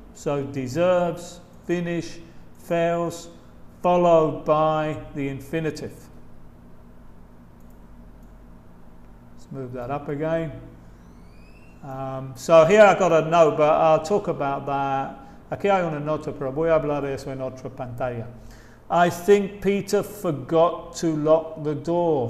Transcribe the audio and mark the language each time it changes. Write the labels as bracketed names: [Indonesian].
[English] So deserves, finish, fails, followed by the infinitive. Let's move that up again. So here I got a note, but I'll talk about that. [Spanish] Aquí hay una nota, pero voy a hablar de eso en otra pantalla. [English] I think Peter forgot to lock the door.